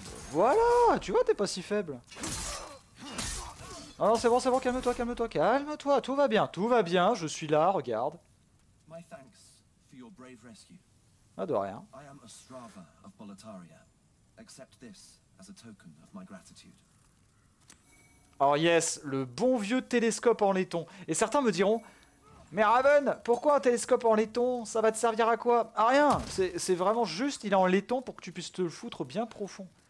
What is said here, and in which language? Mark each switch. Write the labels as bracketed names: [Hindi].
[French] Voilà! Tu vois, t'es pas si faible. Non, c'est bon, calme-toi, tout va bien, je suis là, regarde. [English] My thanks for your brave rescue. [French] Ah, de rien. [English] I am Astrava of Boletaria. Accept this as a token of my gratitude. Oh yes, [French] le bon vieux télescope en laiton. Et certains me diront, Mais Raven, pourquoi un télescope en laiton? Ça va te servir à quoi? À rien. C'est vraiment juste, il est en laiton pour que tu puisses te le foutre bien profond.